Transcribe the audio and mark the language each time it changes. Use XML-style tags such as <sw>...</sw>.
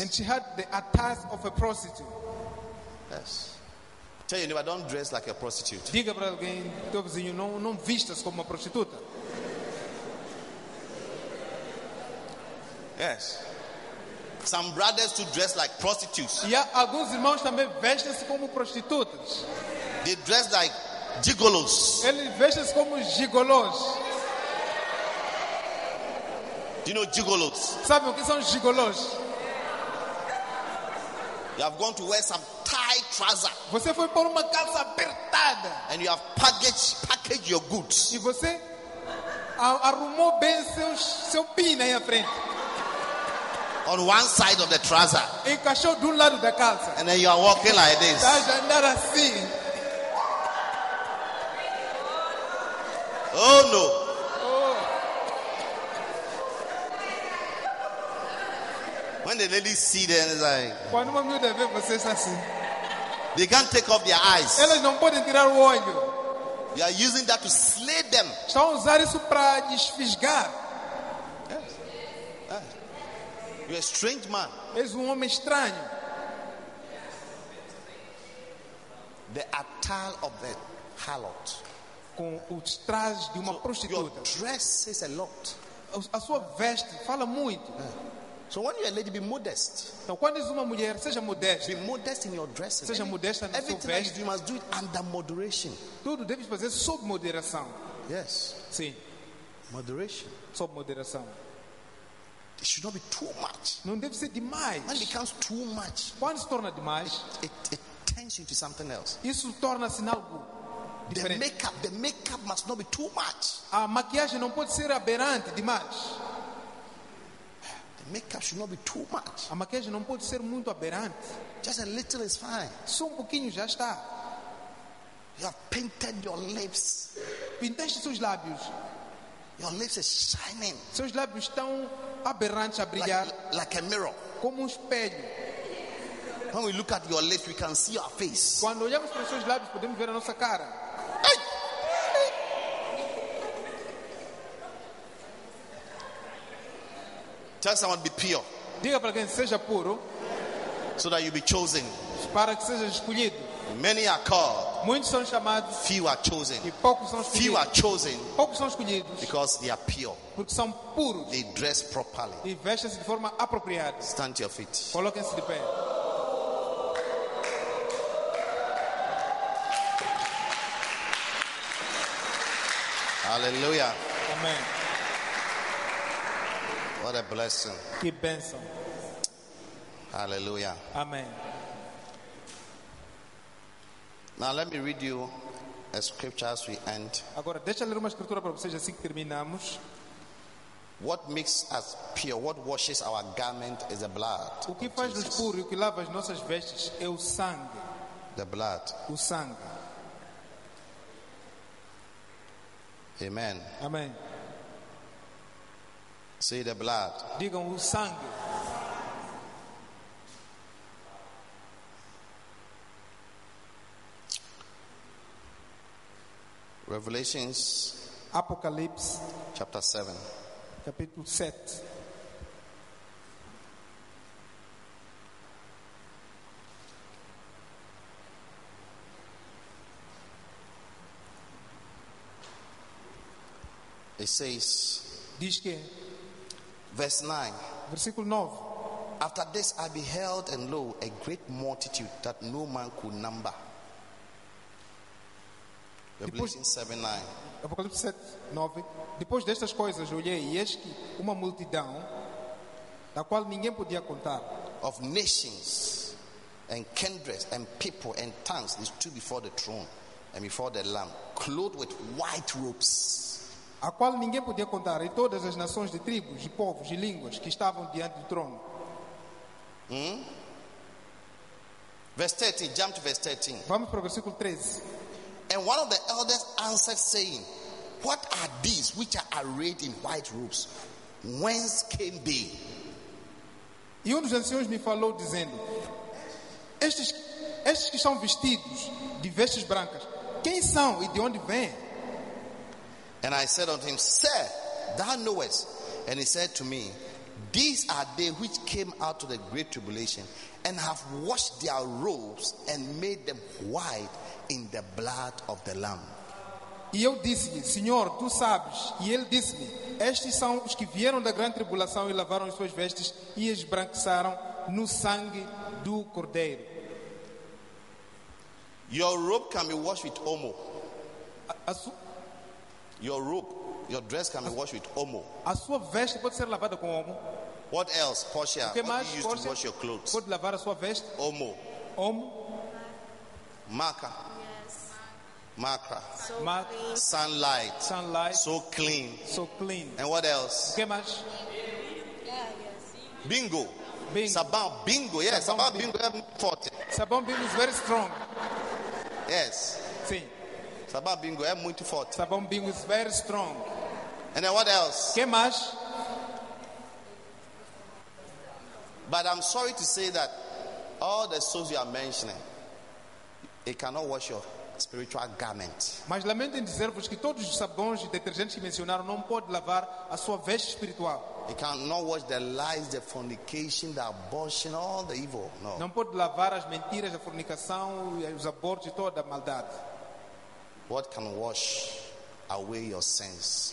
<en>And she had the attire of a prostitute. Yes. Tell your neighbor, don't dress like a prostitute.</en> <pt>Diga para alguém, teu vizinho, não vistas como uma prostituta.</pt> <en>Yes. Some brothers too dress like prostitutes.</en> <pt>E alguns irmãos também vestem-se como prostitutas.</pt> <en>They dress like gigolos.</en> <pt>Eles vestem-se como gigolos.</pt> <en>Do you know gigolos?</en> <pt>Sabe o que são gigolos?</pt> <en>You have gone to wear some tight trouser.</en> <pt>Você foi pôr uma calça apertada.</pt> <en>And you have packaged your goods.</en> <pt>E você arrumou bem seu pin aí à frente.</pt> <en>On one side of the trouser.</en> <pt>Encaixou do lado da calça.</pt> <en>And then you are walking like this. That's another thing. Oh no. Oh. When the ladies see them, it's like.</en> <pt>Quando uma mulher vê vocês assim.</pt> <en>They can't take off their eyes.</en> <pt>Elas não podem tirar o olho.</pt> <en>You are using that to slay them.</en> <pt>Estão a usar isso para desfisgar.</pt> <en>Yes. You're a strange man.</en> <pt>És um homem estranho.</pt> <en>The attire of the harlot.</en> <pt>Com os trajes de uma prostituta.</pt> <en>Your dress says a lot.</en> <pt>A sua veste fala muito.</pt> <en>So when you're a lady, be modest.</en> <pt>Então quando és uma mulher, seja modesta.</pt> <en>Be modest in your dress.</en> <pt>Seja modesta na sua veste.</pt> <en>Everything you must do it under moderation.</en> <pt>Tudo deves fazer sob moderação.</pt> <en>Yes.</en> <pt>Sim.</pt> <en>Moderation.</en> <pt>Sob moderação.</pt> <en>It should not be too much.</en> <pt>Não deve ser demais.</pt> <en>When it becomes too much.</en> <pt>Quando se torna demais,</pt> <en>it turns into something else.</en> <pt>Isso torna-se algo.</pt> <en>The makeup must not be too much.</en> <pt>A maquiagem não pode ser aberrante demais.</pt> <en>The makeup should not be too much.</en> <pt>A maquiagem não pode ser muito aberrante.</pt> <en>Just a little is fine.</en> <pt>Só um pouquinho já está.</pt> <en>You have painted your lips.</en> <pt>Pintaste seus lábios.</pt> <en>Your lips are shining.</en> <pt>Seus lábios estão aberrantes a brilhar.</pt> <en>Like a mirror.</en> <pt>Como espelho.</pt> <en>When we look at your lips, we can see your face.</en> <pt>Quando olhamos para seus lábios, podemos ver a nossa cara.</pt> <en>Tell someone be pure.</en> <pt>Diga para alguém seja puro.</pt> <en>So that you be chosen.</en> <pt>Para que seja escolhido.</pt> <en>Many are called.</en> <pt>Muitos são chamados.</pt> <en>Few are chosen.</en> <pt>E poucos são escolhidos.</pt> <en>Few are chosen.</en> <pt>Poucos são escolhidos.</pt> <en>Because they are pure.</en> <pt>Porque são puros.</pt> <en>They dress properly.</en> <pt>E vestem-se de forma apropriada.</pt> <en>Stand to your feet.</en> <pt>Coloquem-se de pé.</pt> <en>Hallelujah. Amen. What a blessing.</en> <pt>Que bênção.</pt> <en>Hallelujah. Amen. Now let me read you a scripture as we end.</en> <pt>Agora deixa eu ler uma escritura para vocês assim que terminamos.</pt> <en>What makes us pure, what washes our garment is the blood.</en> <pt>O que faz-nos puro, o que lava as nossas vestes é o sangue.</pt> <en>The blood.</en> <pt>O sangue.</pt> <en>Amen. Amen. Say the blood.</en> <pt>Digam o sangue.</pt> <en>Revelations,</en> <pt>Apocalypse,</pt> <en>chapter 7.</en> <pt>Capítulo 7.</pt> <en>It says,</en> <pt>diz que,</pt> <en>verse 9.</en> <pt>Versículo 9.</pt> <en>After this I beheld and lo, a great multitude that no man could number.</en> <pt>Apocalipse 7:9. Depois destas coisas olhei e eis que uma multidão da qual ninguém podia contar.</pt> <en>Of nations and kindreds and people and tongues, they stood before the throne and before the Lamb, clothed with white robes.</en> <pt>A qual ninguém podia contar, e todas as nações de tribos, de povos, de línguas que estavam diante do trono.</pt> <en>Verse 13. Jump to verse 13.</en> <pt>Vamos para o versículo 13.</pt> <en>And one of the elders answered, saying, what are these which are arrayed in white robes? Whence came they?</en> <pt>E um dos anciões me falou, dizendo, estes que são vestidos de vestes brancas, quem são e de onde vêm?</pt> <en>And I said unto him, sir, thou knowest. And he said to me, these are they which came out of the great tribulation, and have washed their robes, and made them white in the blood of the Lamb.</en> <pt>E eu disse-lhe, Senhor, tu sabes. E ele disse-me, estes são os que vieram da grande tribulação e lavaram as suas vestes e esbranquiçaram no sangue do Cordeiro.</pt> <en>Your robe can be washed with omo. Your robe, your dress can be washed with omo.</en> <pt>A sua veste pode ser lavada com omo.</pt> <en>What else, Portia?</en> <pt>O que mais,</pt> <en>what do you use Portia? To wash your clothes?</en> <pt>Pode lavar a sua veste?</pt> <en>Omo. Omo. Maca. Yes. Maca. So Maca. Clean. Sunlight. Sunlight. So clean. So clean. And what else?</en> <pt>O que mais?</pt> <en>Bingo. Bingo.</en> <pt>Sabão. Bingo.</pt> <en>Yes.</en> <pt>Sabão bingo. Bingo. Forte.</pt> <en>Sabão bingo is very strong. Yes.</en> <pt>Sim. Sabão bingo é muito forte.</pt> <en>Sabão bingo is very strong. And then what else?</en> <pt>Que mais?</pt> <en>But I'm sorry to say that all the souls you are mentioning, it cannot wash your spiritual garment.</en> <pt>Mas lamento em dizer-vos que todos os sabões e detergentes que mencionaram não podem lavar a sua veste espiritual.</pt> <en>It cannot wash the lies, the fornication, the abortion, all the evil. No.</en> <pt>Não pode lavar as mentiras, a fornicação, os abortos e toda a maldade.</pt> <en>What can wash away your sins?</en>